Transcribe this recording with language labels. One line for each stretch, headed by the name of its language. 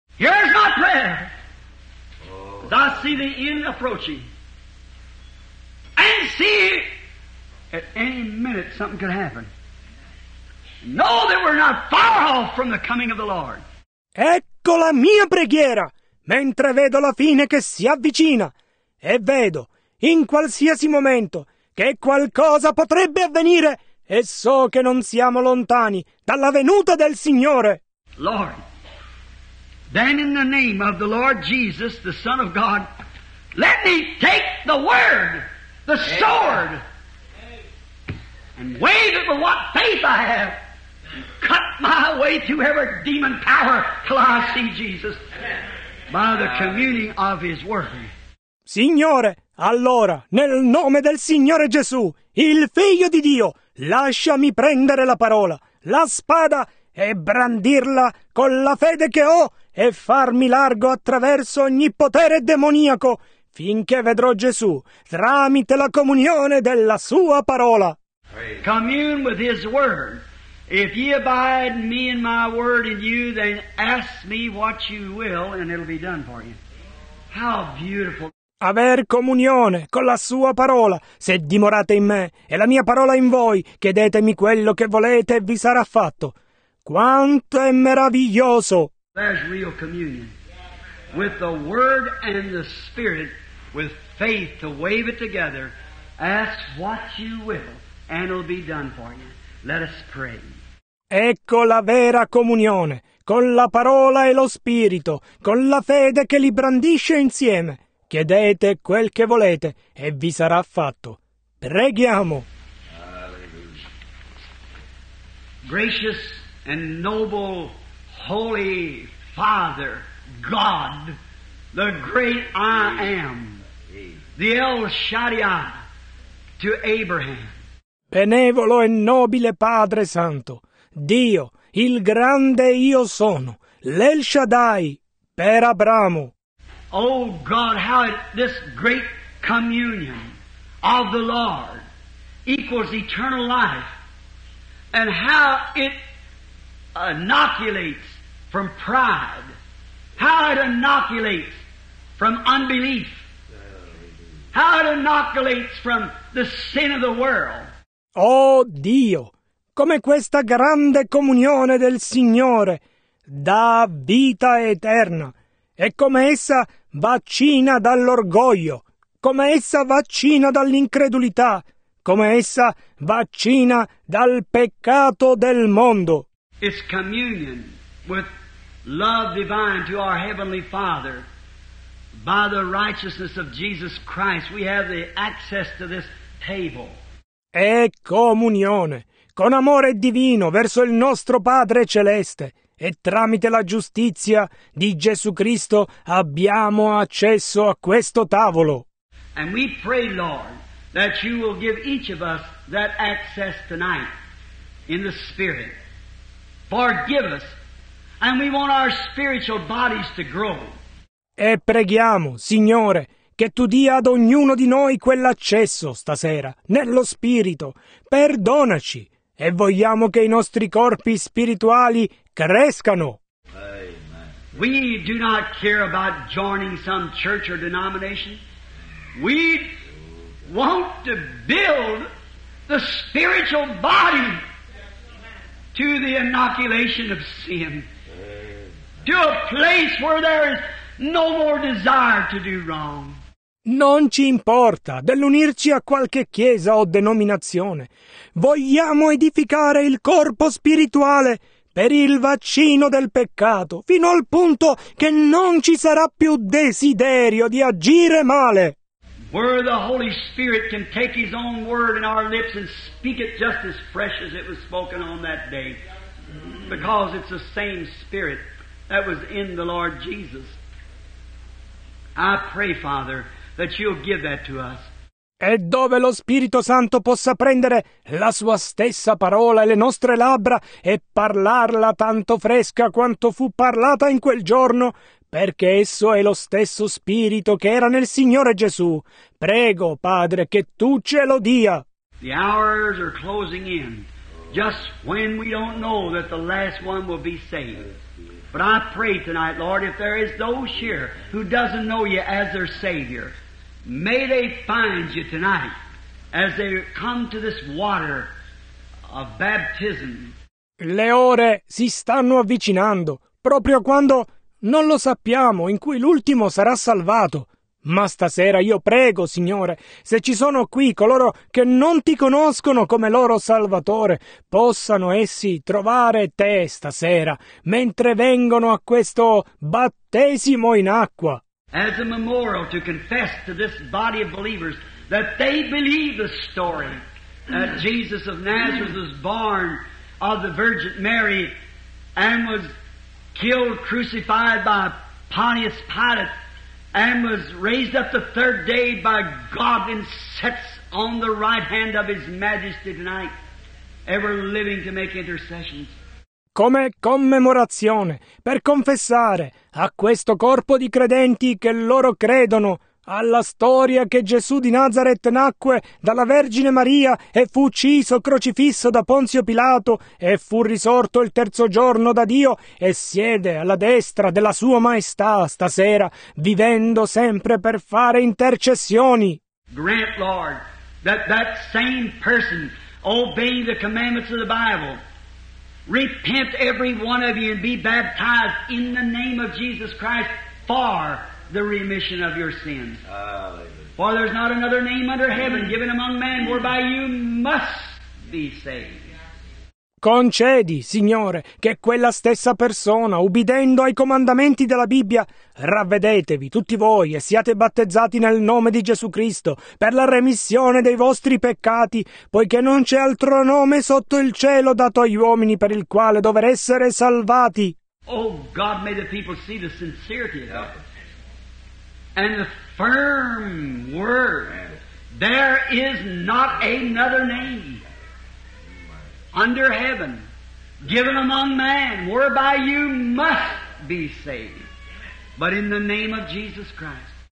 English: Here's my prayer. I see the end approaching. And see, at any minute something could happen. Know that we're not far off from the coming of the Lord.
Italian: Ecco la mia preghiera, mentre vedo la fine che si avvicina. E vedo, in qualsiasi momento, che qualcosa potrebbe avvenire. E so che non siamo lontani dalla venuta del Signore.
English: Lord. Then in the name of the Lord Jesus, the Son of God, let me take the word, the sword, and wave it with what faith I have. Cut my way through every demon power till I see Jesus by the communing of his word.
Italian: Signore, allora, nel nome del Signore Gesù, il Figlio di Dio, lasciami prendere la parola, la spada, e brandirla con la fede che ho. E farmi largo attraverso ogni potere demoniaco, finché vedrò Gesù, tramite la comunione della sua parola.
English: Commune with his word. If ye abide me in my word in you, then ask me what you will, and it'll be done for you. How beautiful.
Italian: Aver comunione con la sua parola. Se dimorate in me, e la mia parola in voi, chiedetemi quello che volete e vi sarà fatto. Quanto è meraviglioso!
English: There's real communion with the Word and the Spirit, with faith to wave it together Ask what you will, and it'll be done for you. Let us pray.
Italian: Ecco la vera comunione, con la parola e lo spirito, con la fede che li brandisce insieme. Chiedete quel che volete, e vi sarà fatto. Preghiamo.
English: Gracious and noble, holy Father, God, the great I Am, the El Shaddai to Abraham.
Italian: Benevolo e nobile Padre Santo, Dio, il grande Io Sono, l'El Shaddai per Abramo.
English: Oh God, how this great communion of the Lord equals eternal life. And how it inoculates from pride. How it inoculates from unbelief. How it inoculates from the sin of the world.
Italian: Oh Dio, come questa grande comunione del Signore dà vita eterna, e come essa vaccina dall'orgoglio, come essa vaccina dall'incredulità, come essa vaccina dal peccato del mondo.
English: It's communion with love divine to our Heavenly Father. By the righteousness of Jesus Christ, we have the access to this table.
Italian: È comunione con amore divino verso il nostro Padre Celeste, e tramite la giustizia di Gesù Cristo abbiamo accesso a questo tavolo.
English: And we pray, Lord, that you will give each of us that access tonight in the Spirit. Forgive us, and we want our spiritual bodies to grow.
Italian: E preghiamo, Signore, che tu dia ad ognuno di noi quell'accesso stasera, nello Spirito. Perdonaci, e vogliamo che i nostri corpi spirituali crescano.
English: We do not care about joining some church or denomination. We want to build the spiritual body to the inoculation of sin, to a place where there is no more desire to do wrong.
Italian: Non ci importa dell'unirci a qualche chiesa o denominazione. Vogliamo edificare il corpo spirituale per il vaccino del peccato, fino al punto che non ci sarà più desiderio di agire male.
English: Where the Holy Spirit can take His own word in our lips and speak it just as fresh as it was spoken on that day. Because it's the same Spirit that was in the Lord Jesus. I pray, Father, that you'll give that to us.
Italian: E dove lo Spirito Santo possa prendere la sua stessa parola e le nostre labbra e parlarla tanto fresca quanto fu parlata in quel giorno, perché esso è lo stesso Spirito che era nel Signore Gesù. Prego, Padre, che tu ce lo dia.
English: The hours are closing in, just when we don't know that the last one will be saved. But I pray tonight, Lord, if there is those here who doesn't know you as their Savior, may they find you tonight as they come to this water of baptism.
Italian: Le ore si stanno avvicinando, proprio quando non lo sappiamo, in cui l'ultimo sarà salvato. Ma stasera io prego, Signore, se ci sono qui coloro che non ti conoscono come loro Salvatore, possano essi trovare te stasera, mentre vengono a questo battesimo in acqua.
English: As a memorial to confess to this body of believers that they believe the story that Jesus of Nazareth was born of the Virgin Mary and was killed, crucified by Pontius Pilate, and was raised up the third day by God and sits on the right hand of His Majesty tonight, ever living to make intercessions.
Italian: Come commemorazione, per confessare a questo corpo di credenti che loro credono alla storia che Gesù di Nazareth nacque dalla Vergine Maria e fu ucciso, crocifisso da Ponzio Pilato e fu risorto il terzo giorno da Dio e siede alla destra della Sua Maestà stasera, vivendo sempre per fare intercessioni.
English: Grant, Lord, that that same person obey the commandments of the Bible. Repent, every one of you, and be baptized in the name of Jesus Christ for the remission of your sins. Hallelujah. For there's not another name under heaven given among men whereby you must be saved.
Italian: Concedi, Signore, che quella stessa persona, ubbidendo ai comandamenti della Bibbia, ravvedetevi tutti voi e siate battezzati nel nome di Gesù Cristo per la remissione dei vostri peccati, poiché non c'è altro nome sotto il cielo dato agli uomini per il quale dover essere salvati.
English: Oh God, may the people see the sincerity of it and the firm word. There is not another name under heaven, given among man, whereby you must be saved, but in the name of Jesus Christ.